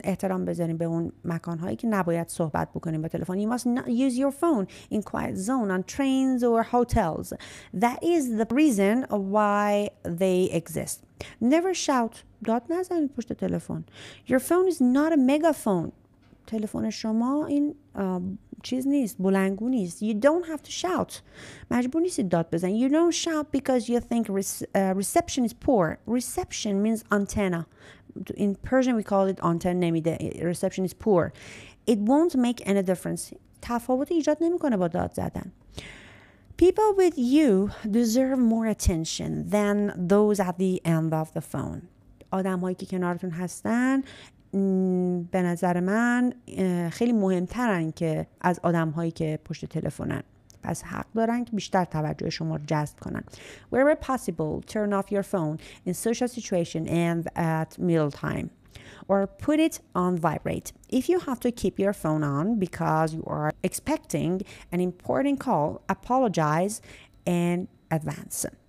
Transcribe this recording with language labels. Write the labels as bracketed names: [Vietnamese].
[Persian] احترام بذاریم به اون مکانهایی که نباید صحبت بکنیم با تلفن. [English] You must not use your phone in quiet zone on trains or hotels. That is the reason why they exist. Never shout. [Persian] داد نزنید پشت تلفن. [English] Your phone is not a megaphone. [Persian] تلفن شما این چیز نیست, بلنگو نیست. [English] You don't have to shout. [Persian] مجبور نیستید داد بزنید. [English] You don't shout because you think reception is poor. Reception means antenna. In Persian we call it antenna. [Persian] نمیده. [English] Reception is poor. It won't make any difference. [Persian] تفاوت ایجاد نمیکنه با داد زدن. [English] People with you deserve more attention than those at the end of the phone. [Persian] آدمایی که کنارتون هستن به نظر من خیلی مهمترن که از آدمهایی که پشت تلفنن. پس حق دارن که بیشتر توجه شما رو جذب کنن. [English] Wherever possible, turn off your phone in social situation and at meal time. Or put it on vibrate. If you have to keep your phone on because you are expecting an important call, apologize in advance.